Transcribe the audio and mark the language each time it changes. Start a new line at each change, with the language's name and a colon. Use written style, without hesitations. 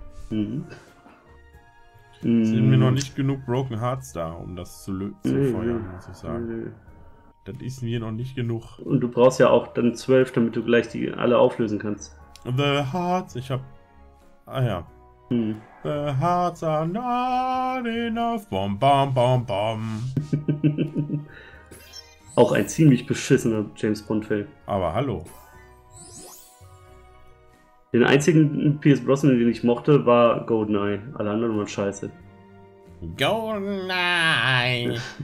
German: Sind mir noch nicht genug Broken Hearts da, um das zu feuern, muss ich sagen. Nö. Das ist mir noch nicht genug. Und du brauchst ja auch dann 12, damit du gleich die alle auflösen kannst. The Hearts, ich hab. Ah ja.
English: The Hearts are not enough. Bom, bom, bom, bom.
German: Auch ein ziemlich beschissener James Bond-Film. Aber hallo. Den einzigen Pierce Brosnan, den ich mochte, war GoldenEye. Alle anderen waren scheiße. GoldenEye!